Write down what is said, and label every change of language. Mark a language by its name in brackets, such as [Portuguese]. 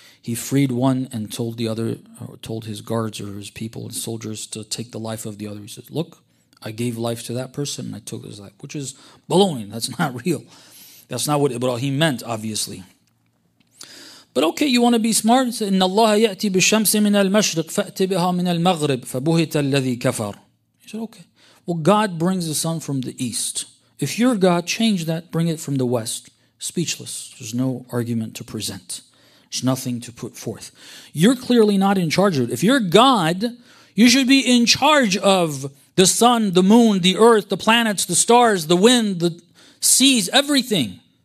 [English] He freed one and told the other, or told his guards or his people and soldiers to take the life of the other. He said, look, I gave life to that person and I took his life, which is baloney. That's not real. That's not what Ibrahim meant, obviously. But okay, you want to be smart? [Arabic] إن الله يأتي بالشمس من المشرق فأتي بها من المغرب فبهت الذي كفر. [English] He said, okay. Well, God brings the sun from the east. If you're God, change that, bring it from the west. Speechless. There's no argument to present. There's nothing to put forth. You're clearly not in charge of it. If you're God, you should be in charge of the sun, the moon, the earth, the planets, the stars, the wind, the seas, everything.